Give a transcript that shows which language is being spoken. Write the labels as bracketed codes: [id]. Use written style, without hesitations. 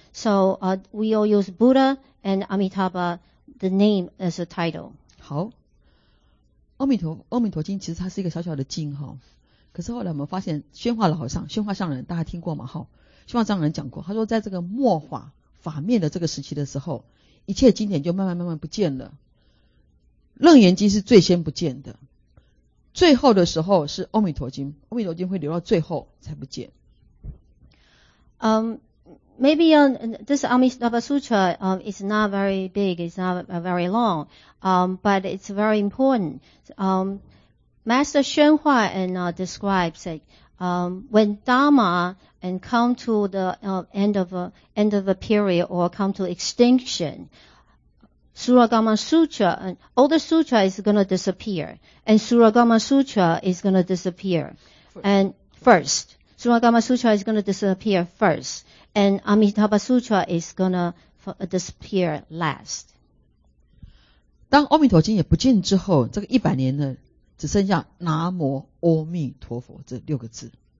[en] So, we all use Buddha and Amitabha, the name as a title. [zh] 好。阿弥陀经其实它是一个小小的经齁。可是后来我们发现宣化上人大家听过吗齁。宣化上人讲过，他说在这个末法法灭的这个时期的时候，一切经典就慢慢不见了。楞严经是最先不见的，最后的时候是阿弥陀经会留到最后才不见。 [en] Maybe this Amitabha Sutra is not very big, it's not very long, but it's very important. Master Xuan Hua describes it. When Dharma and come to the end of a period or come to extinction, Suragama Sutra, all the sutra is going to disappear, and Suragama Sutra is going to disappear. And first, Suragama Sutra is going to disappear first, and Amitabha Sutra is going to disappear last. [zh] 当阿弥陀经也不见之后，这个一百年呢，只剩下南无阿弥陀佛这六个字。